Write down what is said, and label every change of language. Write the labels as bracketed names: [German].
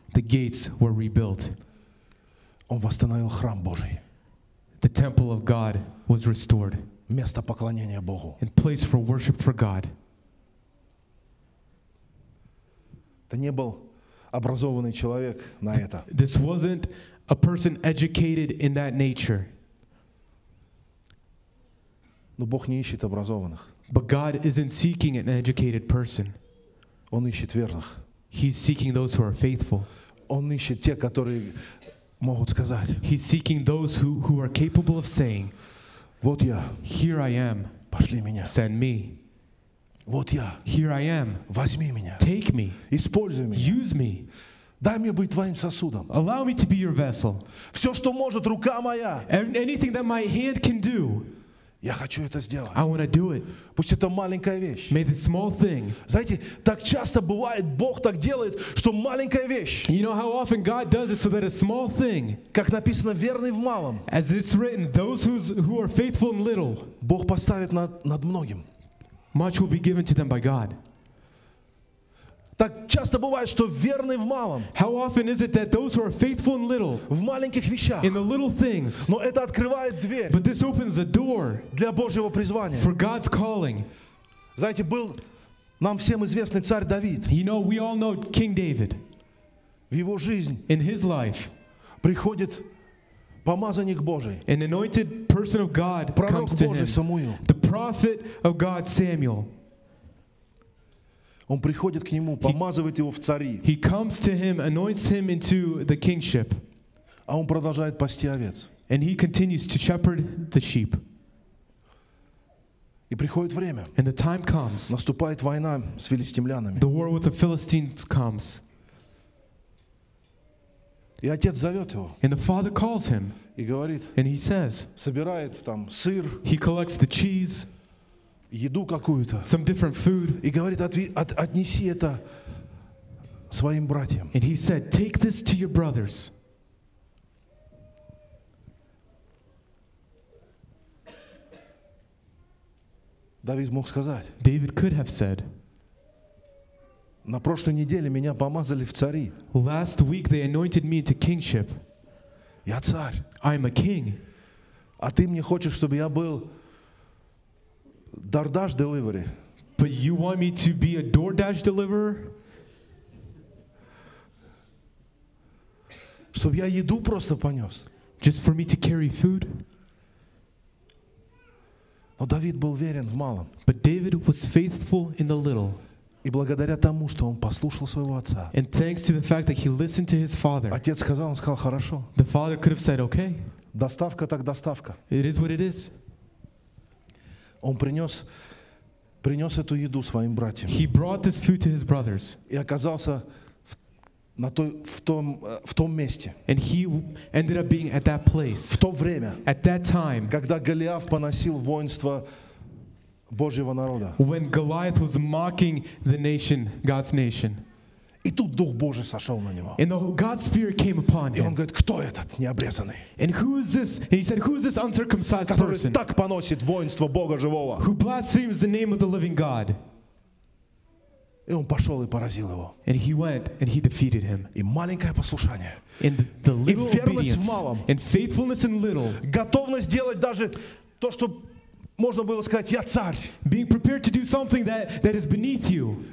[English] The gates were rebuilt. [Russian] Он восстановил храм Божий. [English] The temple of God was restored. [Russian] Место поклонения Богу. [English] And place for worship for God. [Russian] Это не был образованный человек на это. [English] This wasn't a person educated in that nature. [Russian] Но Бог не ищет образованных. [English] But God isn't seeking an educated person. [Russian] Он ищет верных. [English] He's seeking those who are faithful. [Russian] Он ищет те, которые могут сказать. [English] He's seeking those who are capable of saying. [Russian] Вот я. [English] Here I am. [Russian] Пошли меня. [English] Send me. [Russian] Вот я. [English] Here I am. [Russian] Возьми меня. [English] Take me. [Russian] Используй меня. [English] Use me. [Russian] Дай мне быть твоим сосудом. [English] Allow me to be your vessel. [Russian] Все, что может рука моя. [English] Anything that my hand can do. [Russian] Я хочу это сделать. [English] I want to do it. [Russian] Пусть это маленькая вещь. [English] May the small thing. [Russian] Знаете, так часто бывает, Бог так делает, что маленькая вещь. [English] You know how often God does it so that a small thing. [Russian] Как написано, верный в малом. [English] As it's written, those who are faithful in little. [Russian] Бог поставит над многим. [English] Much will be given to them by God. [Russian] Так часто бывает, что верный в малом. [English] How often is it that those who are faithful in little, [Russian] в маленьких вещах, [English] in the little things, [Russian] но это открывает дверь, [English] but this opens the door, [Russian] для Божьего призвания, [English] for God's calling. [Russian] Знаете, был нам всем известный царь Давид. [English] You know, we all know King David. [Russian] В его жизнь, [English] in his life, [Russian] приходит помазанник Божий, [English] an anointed person of God comes to him, [Russian] Самуил. [English] The prophet of God, Samuel. [Russian] Он приходит к нему, помазывает его в цари. [English] He comes to him, anoints him into the kingship. [Russian] А он продолжает пасти овец. [English] And he continues to shepherd the sheep. [Russian] И приходит время. [English] And the time comes. [Russian] Наступает война с филистимлянами. [English] The war with the Philistines comes. [Russian] И отец зовет его. [English] And the father calls him. [Russian] И говорит. [English] And he says. [Russian] Собирает там сыр. [English] He collects the cheese. [Russian] Еду какую-то. [English] Some different food. [Russian] И говорит, отнеси это своим братьям. [English] And he said, take this to your brothers. [Russian] Давид мог сказать. [English] David could have said. [Russian] На прошлой неделе меня помазали в цари. [English] Last week they anointed me into kingship. [Russian] Я царь. [English] I am a king. [Russian] А ты мне хочешь, чтобы я был [English] DoorDash delivery? But you want me to be a DoorDash deliverer? [Russian] Чтобы я еду просто понес. [English] Just for me to carry food? [Russian] Но Давид был верен в малом. [English] But David was faithful in the little. [Russian] И благодаря тому, что он послушал своего отца. [English] And thanks to the fact that he listened to his father. [Russian] Отец сказал, он сказал, хорошо. [English] The father could have said, okay. [Russian] Доставка так доставка. [English] It is what it is. [Russian] Он принес эту еду своим братьям. [English] He brought this food to his brothers. [Russian] И оказался в том месте. [English] And he ended up being at that place. [Russian] В то время. [English] At that time. [Russian] Когда Голиаф поносил воинство Божьего народа. [English] When Goliath was mocking the nation, God's nation. [Russian] И тут Дух Божий сошел на него. [English] And God's Spirit came upon him. [Russian] И он говорит, кто этот необрезанный? [English] And who is this? And he said, who is this uncircumcised [Russian] который [English] person? [Russian] Так поносит воинство Бога живого. [English] Who blasphemes the name of the living God? [Russian] И он пошел и поразил его. [English] And he went and he defeated him. [Russian] И маленькое послушание. [English] And the little [Russian] и верность в малом. [English] And faithfulness in little. [Russian] Готовность делать даже то, что можно было сказать, я царь. [English] Being prepared to do something that is beneath you.